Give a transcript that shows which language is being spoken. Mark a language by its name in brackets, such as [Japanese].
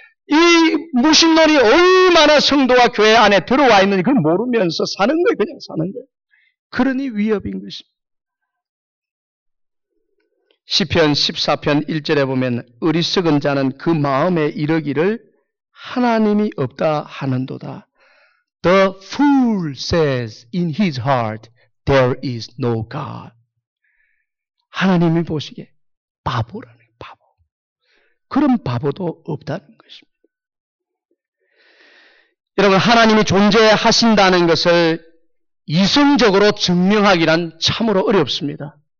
[Korean] 이 무신론이 얼마나 성도와 교회 안에 들어와 있는지 그걸 모르면서 사는 거예요. 그냥 사는 거예요. 그러니 위협인 것입니다. 시편 14편 1절에 보면 어리석은 자는 그 마음에 이르기를 하나님이 없다 하는도다. [English] The fool says in his heart there is no God. [Korean] 하나님이 보시기에 바보라는 바보. 그런 바보도 없다는 것입니다. 여러분 하나님이 존재하신다는 것을 이성적으로 증명하기란 참으로 어렵습니다.